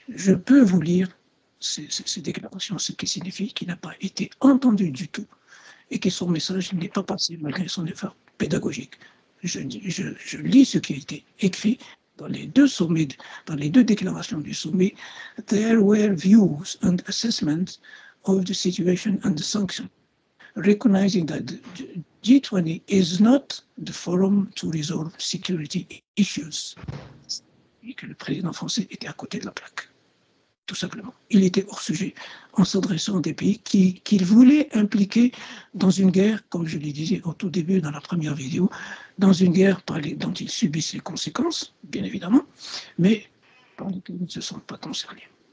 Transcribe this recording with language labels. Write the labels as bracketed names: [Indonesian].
[French] Je peux vous lire ces déclarations, ce qui signifie qu'il n'a pas été entendu du tout et que son message n'est pas passé malgré son effort pédagogique. Je lis ce qui a été écrit dans les deux sommets, dans les deux déclarations du sommet. [English] There were views and assessments of the situation and the sanctions, recognizing that G20 is not the forum to resolve security issues. [French] Et que le président français était à côté de la plaque, tout simplement. Il était hors sujet en s'adressant à des pays qu'il voulait impliquer dans une guerre, comme je le disais au tout début dans la première vidéo, dans une guerre dont ils subissent les conséquences, bien évidemment, mais par lesquels ils ne se sentent pas concernés.